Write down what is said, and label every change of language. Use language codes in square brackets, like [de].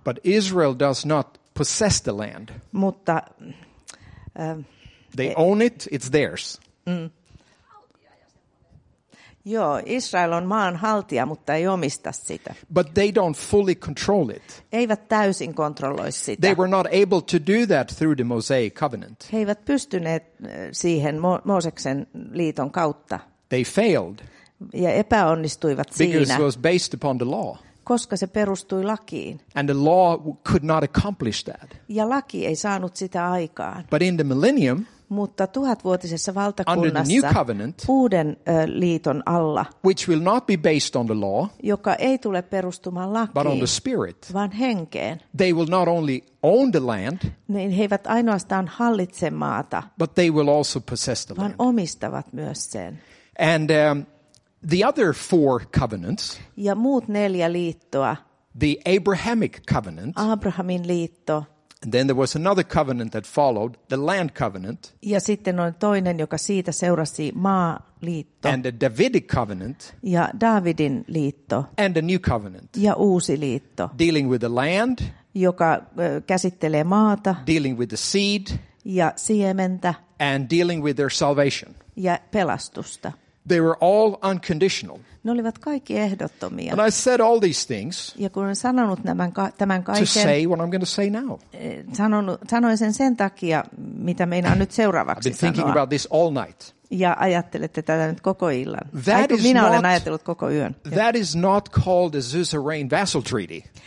[en] But Israel does not possess the land. [fi] Mutta [en] they own it, it's theirs. [fi] Joo, Israel on maan haltija, mutta ei omista sitä. [en] But they don't fully control it. [fi] Eivät täysin kontrolloi sitä. [en] They were not able to do that through the Mosaic covenant. [fi] He eivät pystyneet siihen Mooseksen liiton kautta. [en] They failed. [fi] Ja epäonnistuivat siinä. [en] Because it was based upon the law. [fi] Koska se perustui lakiin. [en] And the law could not accomplish that. [fi] Ja laki ei saanut sitä aikaan. [en] But in the millennium, [fi] mutta tuhatvuotisessa valtakunnassa uuden liiton alla, [en] which will not be based on the law, [fi] joka ei tule perustumaan lakiin, [en] but on the spirit, [fi] vaan henkeen. [en] They will not only own the land, [fi] niin he eivät ainoastaan hallitse maata, [en] but they will also possess the [fi] vaan [en] land. [fi] Omistavat myös sen. [en] And the other 4 covenants, [fi] ja muut 4 liittoa, [en] the Abrahamic covenant, [fi] Abrahamin liitto. [en] And then there was another covenant that followed, the land covenant. [fi] Ja sitten on toinen, joka siitä seurasi maaliitto. [en] And the Davidic covenant. [fi] Ja Davidin liitto. [en] And the new covenant. [fi] Ja uusi liitto. [en] Dealing with the land. [fi] Joka käsittelee maata. [en] Dealing with the seed. [fi] Ja siementä. [en] And dealing with their salvation. [fi] Ja pelastusta. [en] They were all unconditional. [fi] Ne olivat kaikki ehdottomia. [en] And I said all these things. [fi] Ja kun olen sanonut tämän kaiken. [en] To say what I'm going to say now. [fi] Sanoin sen takia, mitä meinaan nyt seuraavaksi sanoa. [en] I've been thinking about this all night. [fi] Ja ajattelette tätä nyt koko illan. Minä olen ajatellut koko yön. [en] That is not called a suzerain vassal treaty.